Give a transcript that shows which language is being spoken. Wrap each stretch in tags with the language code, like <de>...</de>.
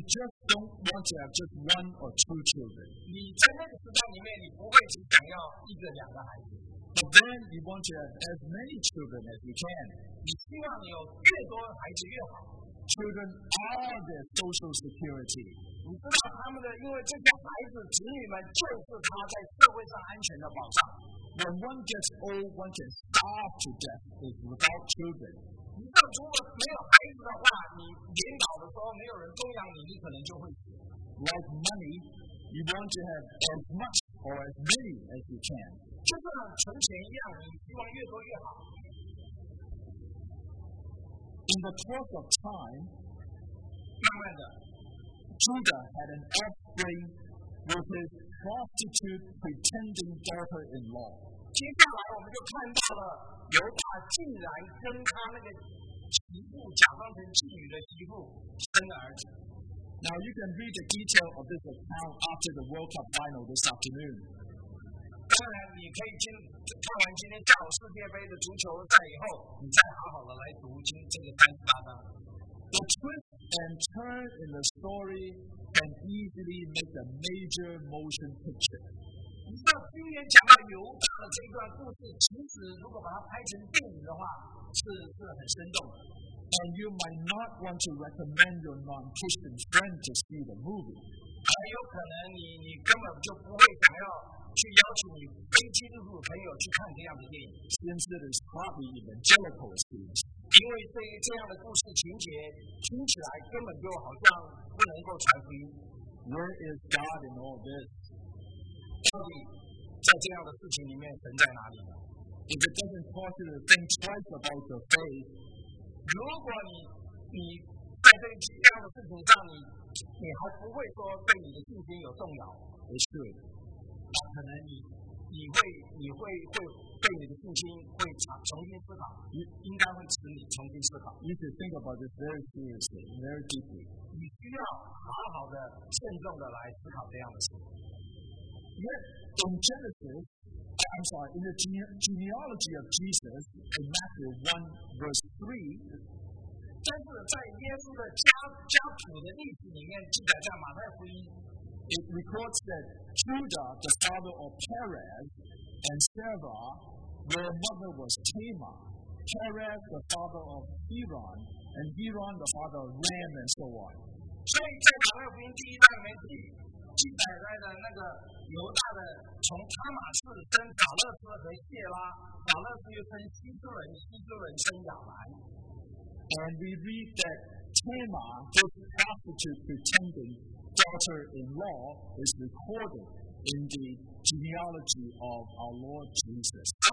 <en>just don't want to have just one or two children.</en> <zh>你在那个时代里面，你不会只想要一个、两个孩子。</zh> <en>But then you want to have as many children as you can.</en> <zh>你希望你有越多孩子越好。</zh> <en>Children are their social security.</en> <zh>你知道他们的，因为这些孩子、子女们就是他在社会上安全的保障。</zh> <en>When one gets old, one can starve to death if without children.</en> <zh>你知道，如果没有孩子的话，你年老的时候没有人供养你，你可能就会死。</zh> <en>Like money, you want to have as much or as many as you can.</en> <zh>就像存钱一样，你希望越多越好。</zh> <en>In the course of time,</en> <zh>另外的</zh> <en>Judah had an offspring with his prostitute pretending daughter-in-law.</en> <zh>接下来我们就看到了犹大竟然跟他那个媳妇假装成妓女的媳妇生儿子。</zh> <en>Now you can read the detail of this account after the World Cup final this afternoon.</en> <zh>当然，你可以听看完今天下午世界杯的足球赛以后，你再好好的来读经这个三十八章。</zh> <en>The twist and turn in the story can easily make a major motion picture.</en> <zh>你知道今天讲到犹大的这段故事，其实如果把它拍成电影的话，是很生动的。</zh> <en>And you might not want to recommend your non-Christian friend to see the movie.</en> <zh>还有可能你根本就不会想要去邀请你非基督徒朋友去看这样的电影。</zh> <en>Since it is probably evangelical experience.</en> <zh>因为这样的故事情节听起来根本就好像不能够传福音。</zh> <en>Where is God in all this?</en> <zh>到底在这样的事情里面神在哪里呢？</zh> <en>If it doesn't cause you to think twice about your faith.</en> <zh>如果你在这样的事情上你还不会说对你的信心有动摇，也是，那可能你会对你的信心会重新思考，应该会使你重新思考。</zh> <en>You should think about this very seriously, very deeply.</en> <zh>你需要好好的、慎重的来思考这样的事。</zh> <en>Yes, in Genesis, I'm sorry, in the genealogy of Jesus in Matthew 1. Verse 3,</en> <zh>但是在耶稣的家谱的历史里面记载，在马太福音</zh> <en>，it records that Judah, the father of Perez, and Sarah, their mother was Tamar. Perez, the father of Hebron, and Hebron, the father of Ram, and so on.</en> <zh>所以在马太福音第一章里面记载在的那个犹大的从他马士生撒勒斯和谢拉。</zh> <en>And we read that Tamar, this prostitute pretending daughter-in-law, is recorded in the genealogy of our Lord Jesus.</en>